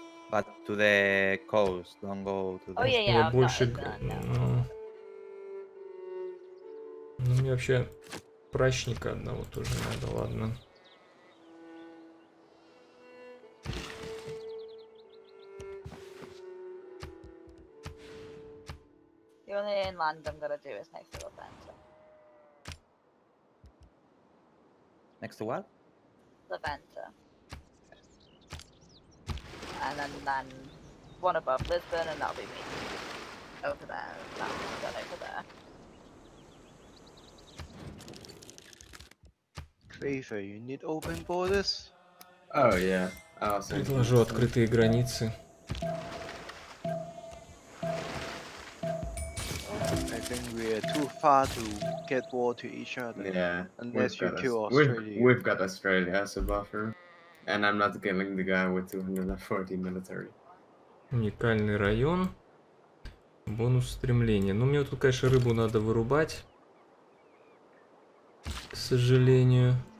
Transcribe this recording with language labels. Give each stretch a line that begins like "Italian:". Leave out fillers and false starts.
English: But to the coast, don't go to the... Oh, yeah, yeah, I've
Russian: больше...
English: got it done, no.
Russian: Ну, мне вообще прачника одного тоже надо, ладно.
English: The only inland I'm gonna do is next to the fence. Next to what? Levanta. And then one above Lisbon, and that'll be me. Over there, that one, that over there. Craver, you need open borders? Oh yeah. I'll
Russian: предложу открытые границы.
English: I think we are too far to get war to each other. Yeah. Unless you kill Australia. We've got Australia as a buffer. And I'm not killing the guy with 240 military.
Russian: Уникальный район. Бонус стремления. Ну, мне тут, конечно, рыбу надо вырубать. К сожалению.